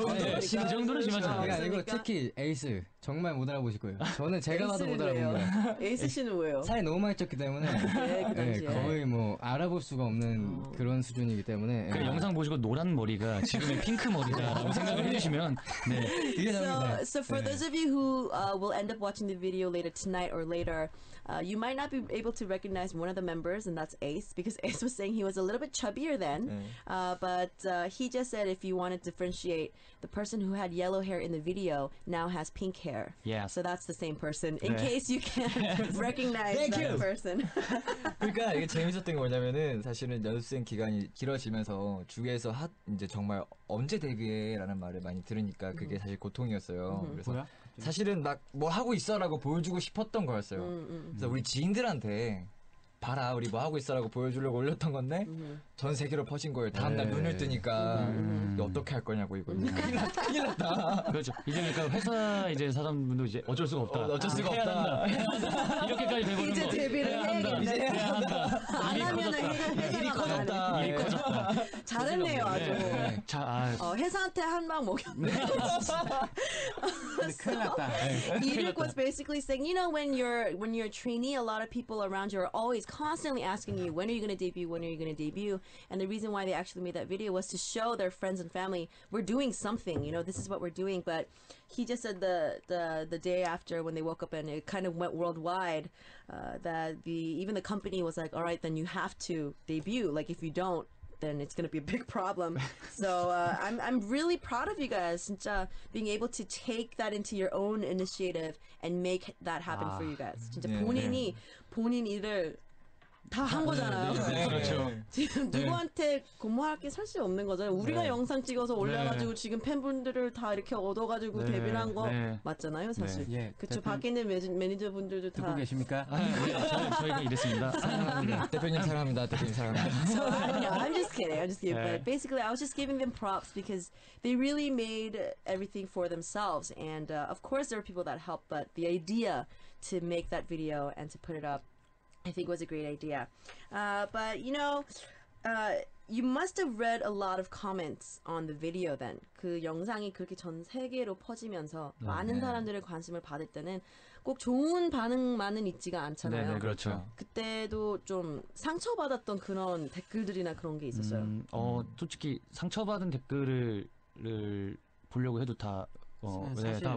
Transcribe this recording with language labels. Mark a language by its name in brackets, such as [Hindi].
[Korean] 그 정도로 심하지 않아요. 이거 특히 에이스 정말 못 알아보실 거예요. 저는 제가 봐도 못 알아본 거예요. 에이스 씨는 왜요? 사이 너무 많이 쪘기 때문에 네, 네, 거의 뭐 알아볼 수가 없는 그런 수준이기 때문에 그 네. 영상 보시고 노란 머리가 지금의 핑크 머리다 라고 생각을 해주시면 네. [English] So for those of you who will end up watching the video later tonight or later, you might not be able to recognize one of the members, and that's Ace, because Ace was saying he was a little bit chubbier then. But he just said if you want to differentiate, the person who had yellow hair in the video now has pink hair. Yeah. So that's the same person, in case you can't recognize that person. [Korean] 그러니까 이게 재밌었던 게 뭐냐면은 사실은 연습생 기간이 길어지면서 주위에서 핫 이제 정말 언제 데뷔해라는 말을 많이 들으니까 그게 사실 고통이었어요. 그래서 사실은 막 뭐 하고 있어라고 보여주고 싶었던 거였어요. 그래서 우리 지인들한테 봐라 우리 뭐 하고 있어라고 보여주려고 올렸던 건데 전 세계로 퍼진 거예요. 다음날 네. 눈을 뜨니까 어떻게 할 거냐고 이거 큰일 났다. 그렇죠. 이제 그러니까 회사 이제 사람분도 이제 어쩔 수가 없다. 어쩔 수가 없다. 해야 한다. 이렇게까지 되고는 이제 데뷔를 해야겠다. 이제 해야 한다. 안 하면 일이 커졌다. 일이 커졌다. 잘했네요 아주. 자, 회사한테 한 방 먹였네. 큰일 났다. [English] Eric was basically saying, you know, when you're a trainee, a lot of people around you are always constantly asking you, when are you going to debut? When are you going to debut? And the reason why they actually made that video was to show their friends and family, we're doing something, you know, this is what we're doing. But he just said the day after when they woke up and it kind of went worldwide, that even the company was like, all right, then you have to debut. Like, if you don't, then it's going to be a big problem. So I'm really proud of you guys, 진짜, being able to take that into your own initiative and make that happen for you guys. [Korean] 진짜 yeah, 본인이, yeah. 본인 일을 다 한 거잖아요. 네, 네, 그렇죠. 지금 누구한테 고마워할 게 사실 없는 거잖아요. 우리가 영상 찍어서 올려가지고 지금 팬분들을 다 이렇게 얻어가지고 데뷔를 한 거 맞잖아요, 사실. 네. 그렇죠. 밖에 있는 매니저분들도 다 듣고 계십니까? 저희가 이랬습니다. 사랑합니다. 대표님 사랑합니다. 대표님 사랑합니다. [English] So, I'm just kidding. But basically, I was just giving them props because they really made everything for themselves. And of course, there are people that helped, but the idea to make that video and to put it up, I think was a great idea. But you know, you must have read a lot of comments on the video then. [Korean] 그 영상이 그렇게 전 세계로 퍼지면서 많은 사람들의 관심을 받을 때는 꼭 좋은 반응만은 있지가 않잖아요. 네, 그렇죠. 그때도 좀 상처받았던 그런 댓글들이나 그런 게 있었어요. 솔직히 상처받은 댓글을 보려고 해도 다 다